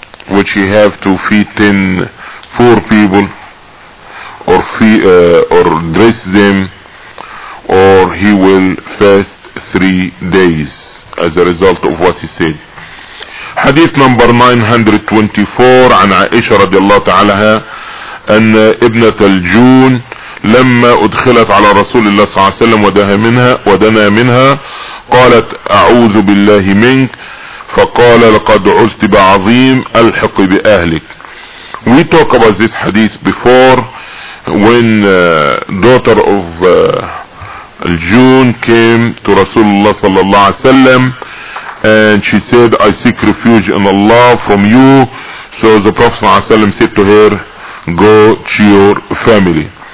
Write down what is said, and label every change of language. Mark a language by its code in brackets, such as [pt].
[en] Which he have to feed 10 poor people, or feed, or dress them, or he will fast 3 days as a result of what he said. Hadith number 924 [ar] عن عائشة رضي الله تعالى أن ابنة الجون لما أدخلت على رسول الله صلى الله عليه وسلم ودنا منها قالت أعوذ بالله منك فقال لقد عزت بعظيم ألحق بأهلك. [en] We talk about this hadith before, when daughter of Al-Jun came to Rasulullah sallallahu alayhi wa sallam, and she said, I seek refuge in Allah from you. So the Prophet sallallahu alayhi wa sallam said to her, go to your family.